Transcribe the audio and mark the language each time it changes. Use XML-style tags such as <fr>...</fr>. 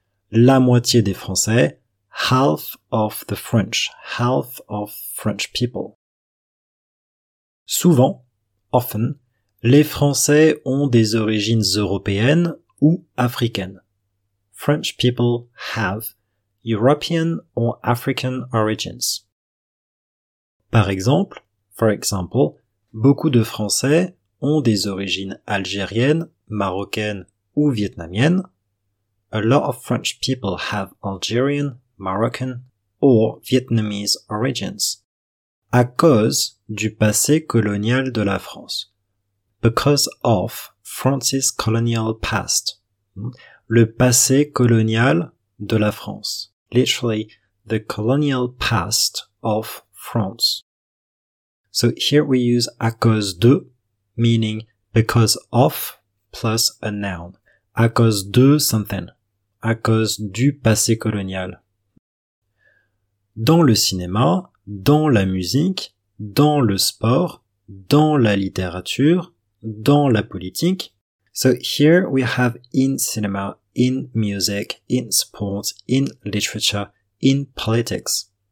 <fr>La moitié des Français,</fr> <en>half of the French, half of French people.</en> <fr>Souvent, often, les Français ont des origines européennes ou africaines.</fr> <en>French people have European or African origins.</en> <fr>Par exemple,</fr> <en>for example,</en> <fr>beaucoup de Français ont des origines algériennes, marocaines ou vietnamiennes.</fr> <en>A lot of French people have Algerian, Moroccan or Vietnamese origins.</en> <fr>À cause du passé colonial de la France.</fr> <en>Because of France's colonial past.</en> <fr>Le passé colonial de la France.</fr> <en>Literally, the colonial past of France. So here we use</en> <fr>à cause de,</fr> <en>meaning because of, plus a noun.</en> <fr>À cause de something. À cause du passé colonial. Dans le cinéma, dans la musique, dans le sport, dans la littérature, dans la politique.</fr> <en>So here we have in cinema, in music, in sport, in literature, in politics.</en>